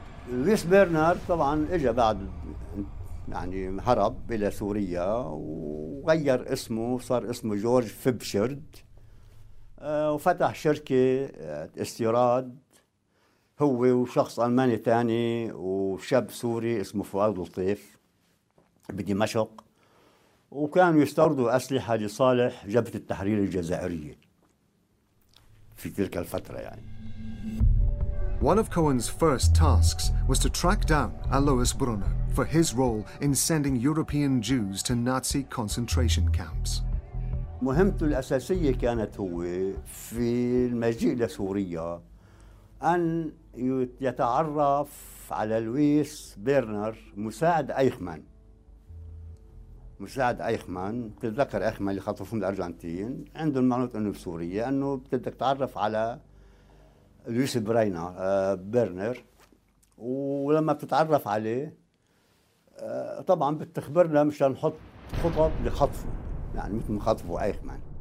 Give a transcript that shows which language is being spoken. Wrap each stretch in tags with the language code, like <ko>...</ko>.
<en>Alois Brunner, of course, came after he left Syria and changed his name. He became his name George Fibshard. He opened a company for storage. He and another German person, a Syrian man named Fuad Latif, in Damascus.</en> <ar>وكانوا يستوردوا أسلحة لصالح جبهة التحرير الجزائرية في تلك الفترة يعني.</ar> <en>One of Cohen's first tasks was to track down Alois Brunner for his role in sending European Jews to Nazi concentration camps.</en> <ar>مهمته الأساسية كانت هو في المجيء لسوريا أن يتعرف على لويس برنر مساعد أيخمان. مساعد أيخمان بتذكر أيخمان اللي خطفهم الأرجنتين عنده المعلومات أنه بسوريا أنه بتدك تعرف على لويس براينا برنر ولما بتتعرف عليه طبعا بتخبرنا مشان نحط خطط لخطفه يعني مثل مخطفه أيخمان.</ar>